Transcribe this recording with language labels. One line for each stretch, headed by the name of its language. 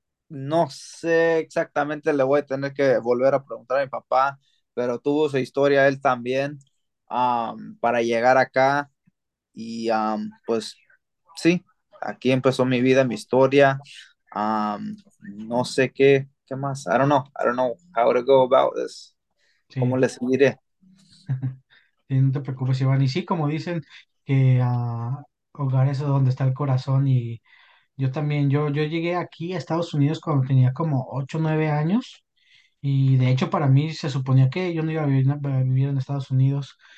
Spanish: No sé exactamente, le voy a tener que volver a preguntar a mi papá, pero tuvo su historia él también. Para llegar acá y pues sí, aquí empezó mi vida, mi historia. No sé qué más.
English: I don't know how to go about this.
Spanish: ¿Cómo Sí. le seguiré? No te preocupes, Iván. Y sí, como dicen, que hogar es donde está el corazón. Y yo también, yo llegué aquí a Estados Unidos cuando tenía como 8 o 9 años. Y de hecho, para mí se suponía que yo no iba a vivir en Estados Unidos.